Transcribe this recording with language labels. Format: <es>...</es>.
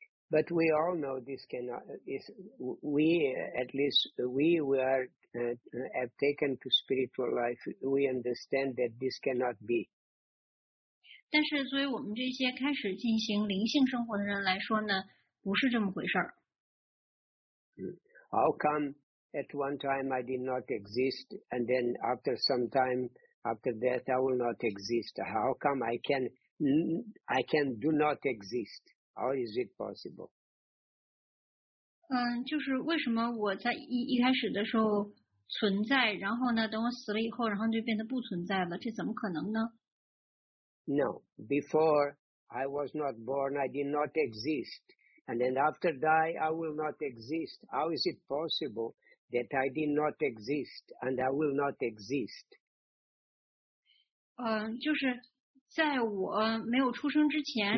<en>But we all know this cannot is we at least we are have taken to spiritual life. We understand that this cannot be.</en> <zh>但是作为我们这些开始进行灵性生活的人来说呢，不是这么回事儿。</zh> <en>How come at one time I did not exist, and then after some time, after death, I will not exist? How come I can do not exist? How is it possible?</en> <zh>嗯，就是为什么我在一开始的时候存在，然后呢，等我死了以后，然后就变得不存在了，这怎么可能呢？</zh> <en>No, before I was not born, I did not exist. And then after die, I will not exist. How is it possible that I did not exist and I will not exist?</en> <zh>嗯，就是在我没有出生之前，</zh>